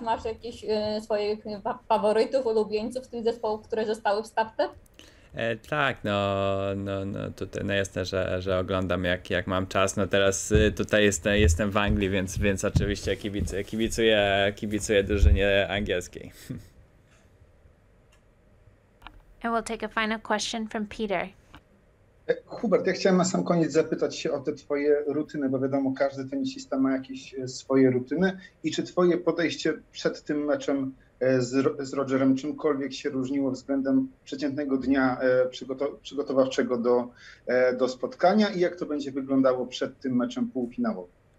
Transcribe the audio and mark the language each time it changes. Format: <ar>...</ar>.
<pl>Masz jakieś swoich faworytów, ulubieńców z tych zespołów, które zostały w stawce? Tak, no tutaj no jestem, że oglądam jak mam czas. No teraz tutaj jestem w Anglii, więc oczywiście kibicuję drużynie angielskiej.</pl> <en>And we'll take a final question from Peter.</en> <pl>Hubert, ja chciałem na sam koniec zapytać się o te twoje rutyny, bo wiadomo, każdy tenisista ma jakieś swoje rutyny. I czy twoje podejście przed tym meczem z Rogerem czymkolwiek się różniło względem przeciętnego dnia przygotowawczego do spotkania i jak to będzie wyglądało przed tym meczem półfinałowym?</pl>